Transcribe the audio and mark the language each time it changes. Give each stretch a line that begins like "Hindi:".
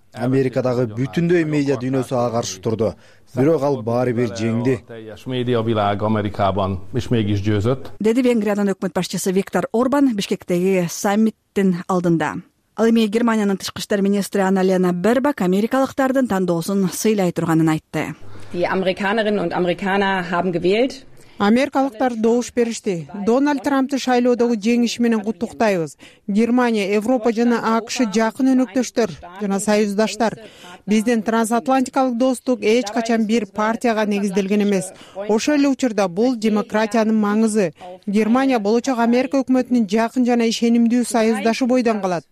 Kyrgyz: Америкадагы бүтүндөй медиа дүйнөсү ага каршы турду, бирок ал баары бир жеңди, деди Венгриянын өкмөт башчысы Виктор Орбан Бишкектеги саммиттин алдында. Ал эми Германиянын тышкы иштер министри Анналена Бербак америкалыктардын тандоосун сыйлай турганын айтты.
German: Die Amerikanerinnen und Amerikaner haben gewählt.
Kyrgyz: Америкалыктар добуш беришти. Дональд Трампты шайлоодогу жеңиши менен куттуктайбыз. Германия, Европа жана АКШ жакын өнөктөштөр жана союздаштар. Биздин трансатлантикалык достук эч качан бир партияга негизделген эмес. Ошол эле учурда бул демократиянын маңызы. Германия болочок Америка өкмөтүнүн жакын жана ишенимдүү союздашы бойдон калат.